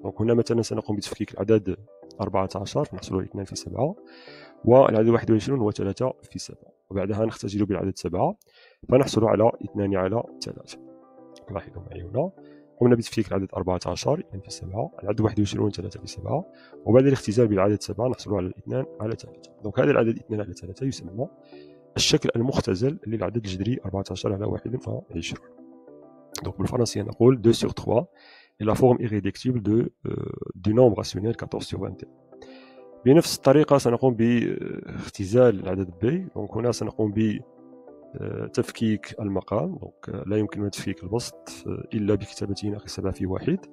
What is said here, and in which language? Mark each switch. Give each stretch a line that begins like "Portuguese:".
Arabic: دونك هنا مثلا سنقوم بتفكيك العدد 14 نحصل على 2 في 7، والعدد 21 هو 3 في 7، وبعدها نختزل بالعدد 7 فنحصل على 2 على 3. لاحظوا معي هنا، قمنا بتفكيك العدد 14 2 في 7، العدد 21 3 في 7، وبعد الاختزال بالعدد 7 نحصل على 2 على 3. دونك هذا العدد 2 على 3 يسمى الشكل المختزل للعدد الجذري 14 على 21.
French: Donc en français, on a 2 sur 3 est la forme irréductible de du nombre rationnel 14 sur 21. Bien sûr, cette manière, on va faire l'extirpation du nombre B. Donc on va faire
Arabic: تفكيك المقام. Donc لا يمكن تفكيك البسط إلا بكتابته ناقص 7 في 1.